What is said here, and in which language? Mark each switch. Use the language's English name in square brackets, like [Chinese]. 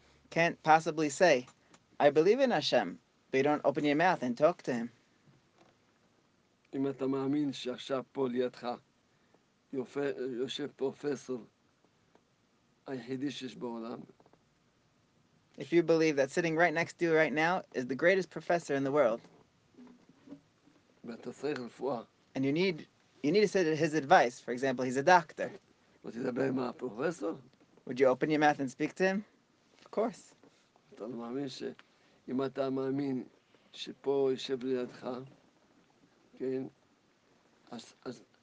[English] Can't possibly say, I believe in Hashem, but you don't open your mouth and talk to Him. If you believe that Hashem is here with you, [Hebrew] יושב פרופסור היחידי שיש בעולם. [English] If you believe that sitting right next to you right now is the greatest professor in the world. [Hebrew] ואתה צריך רפואה. [English] And you need to say his advice. For example, he's a doctor. [Hebrew] ותדבר עם הפרופסור? [English] Would you open your mouth and speak to him? Of course. [Hebrew] אתה לא מאמין שאם אתה מאמין שפה יושב לידך, כן, אז